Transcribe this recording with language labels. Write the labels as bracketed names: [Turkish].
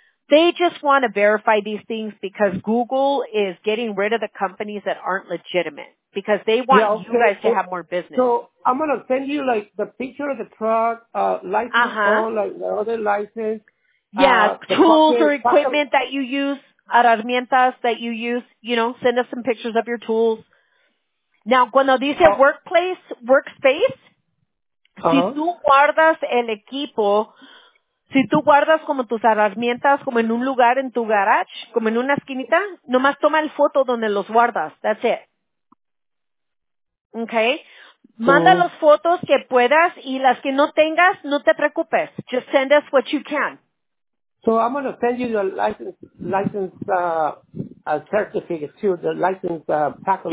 [English] They just want to verify these things because Google is getting rid of the companies that aren't legitimate because they want yeah, okay. you guys to have more business. So I'm going to send you like the picture of the truck, license, like the other license. Yeah, tools pocket, or equipment that you use, herramientas that you use, you know, send us some pictures of your tools. [Spanish] Now, cuando dice workspace, si tú guardas el equipo, si tú guardas como tus herramientas como en un lugar en tu garage, como en una esquinita, nomás toma el foto donde los guardas. [English] That's it. Okay. [Spanish] Manda las fotos que puedas y las que no tengas, no te preocupes. [English] Just send us what you can. So I'm going to send you your license certificate too, the license pack of